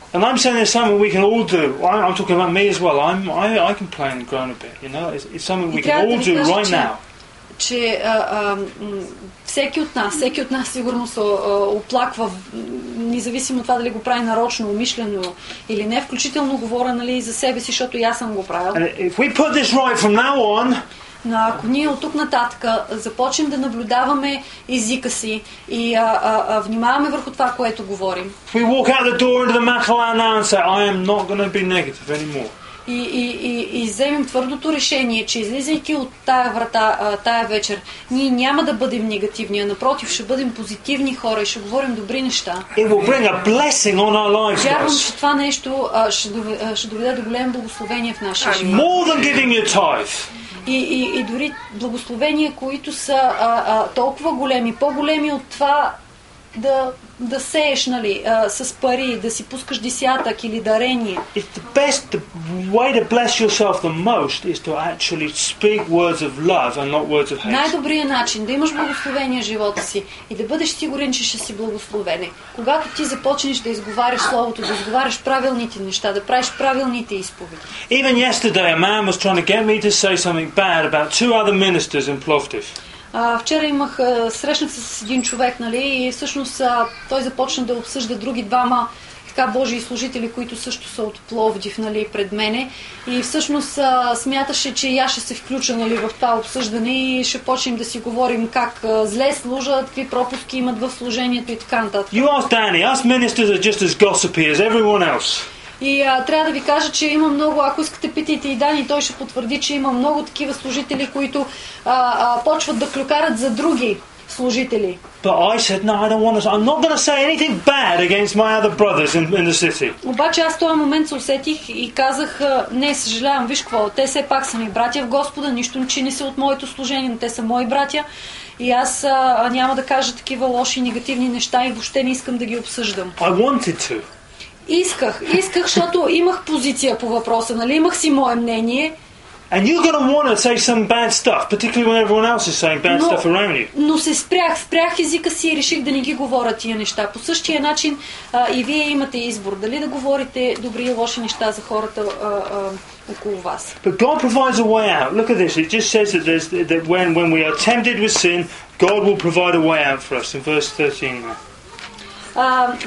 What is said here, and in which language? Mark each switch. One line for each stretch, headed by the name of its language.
English: And I'm saying there's something we can all do. I'm talking about me as well. I complain and groan a bit, you know. It's something we can all do right now.
Bulgarian: Че всеки от нас сигурно се оплаква, независимо от това дали го прави нарочно, умишлено или не, включително говоря, нали, за себе си, защото и аз съм го правил.
English: If we put this right from now on,
Bulgarian: но ако ние от тук нататък започнем да наблюдаваме езика си и внимаваме върху това, което говорим,
English: if we walk out the door into the Makhalah now and say, I am not going to be negative anymore.
Bulgarian: И вземем твърдото решение, че излизайки от тая врата, тая вечер, ние няма да бъдем негативни, а напротив, ще бъдем позитивни хора и ще говорим добри неща.
English: It will bring a blessing on our lives.
Bulgarian: Вярвам, че това нещо ще доведе до голямо благословение в нашия живот.
English: More than giving your tithe.
Bulgarian: И дори благословения, които са толкова големи, по-големи от това да сееш, нали, с пари, да си пускаш десятък или дарение.
English: It's the best way to bless yourself the most is to actually speak words of love and not words of hate.
Bulgarian: Най-добрият начин да имаш благословение в живота си и да бъдеш сигурен, че ще си благословен, когато ти започнеш да изговаряш словото, да изговаряш правилните неща, да правиш правилните изповеди.
English: Even yesterday a man was trying to get me to say something bad about two other ministers in Plovdiv.
Bulgarian: Вчера имах срещнах се с един човек, нали, и всъщност той започна да обсъжда други двама така Божии служители, които също са от Пловдив, нали, пред мене, и всъщност смяташе, че и аз ще се включа, нали, в това обсъждане и ще почнем да си говорим как зле служат, какви пропуски имат в служението и така нататък.
English: You ask Danny, us ministers are just as gossipy as everyone else.
Bulgarian: И трябва да ви кажа, че има много, ако искате питайте и Дани, той ще потвърди, че има много такива служители, които почват да клюкарат за други служители.
English: But I said, no, I don't want to. I'm not going to say anything bad against my other brothers in the city.
Bulgarian: Обаче аз този момент се усетих и казах, не, съжалявам, виж какво, те все пак са ми братя в Господа, нищо не чини се от моето служение, но те са мои братя. И аз няма да кажа такива лоши негативни неща и въобще не искам да ги обсъждам.
English: I wanted to.
Bulgarian: Исках, защото имах позиция по въпроса, нали? Имах си мое мнение.
English: And you're going to want to say some bad stuff, particularly when everyone else is saying bad stuff around you.
Bulgarian: Но се спрях езика си и реших да не ги говоря тия неща. По същия начин и вие имате избор дали да говорите добри и лоши неща за хората около вас.
English: But God provides a way out. Look at this. It just says that there's that when we are tempted with sin, God will provide a way out for us in verse 13.